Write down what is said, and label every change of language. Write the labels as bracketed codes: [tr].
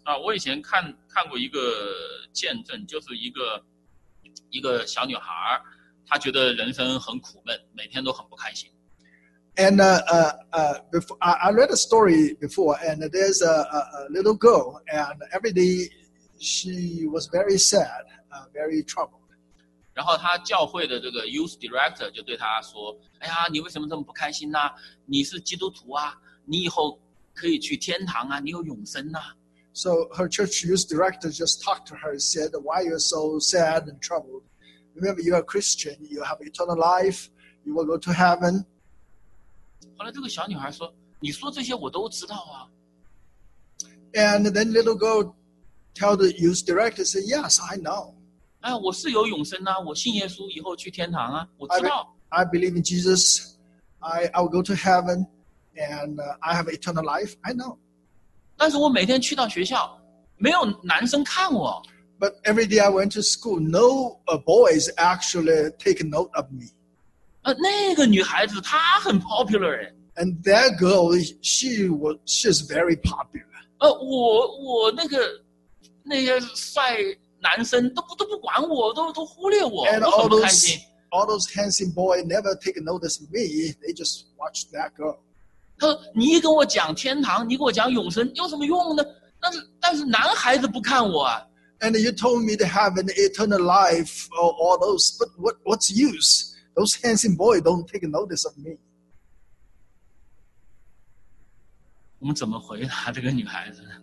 [zh] 啊，我以前看过一个见证，就是一个小女孩，她觉得人生很苦闷，每天都很不开心。 [en] And before I read a story before, and there's a little girl, and every day she was very sad, very troubled. [zh] 然后他教会的这个 youth director 就对他说：“哎呀，你为什么这么不开心呢？你是基督徒啊，你以后可以去天堂啊，你有永生呐。” [en] So her church youth director just talked to her, said, "Why you're so sad and troubled? Remember, you're a Christian. You have eternal life. You will go to heaven." [zh] 后来这个小女孩说：“你说这些我都知道啊。” [en] And then little girl tell the youth director, "Say, yes, I know." [zh] 哎，我是有永生啊，我信耶稣以后去天堂啊，我知道。 [en] I believe in Jesus. I will go to heaven, and I have eternal life. I know. [zh] 但是我每天去到学校，没有男生看我。 [en] But every day I went to school, no boys actually take note of me. [zh] 那个女孩子她很 popular. [en] And that girl, she's very popular. [zh] 我那些帅。男生都不管我，都忽略我，我很不开心。 [en] All those handsome boy never take notice of me. They just watch that girl. [zh] 他说：“你跟我讲天堂，你跟我讲永生，有什么用呢？但是男孩子不看我。 [en] ”And you told me to have an eternal life or all those, but what's use? Those handsome boy don't take notice of me. [zh] 我们怎么回答这个女孩子呢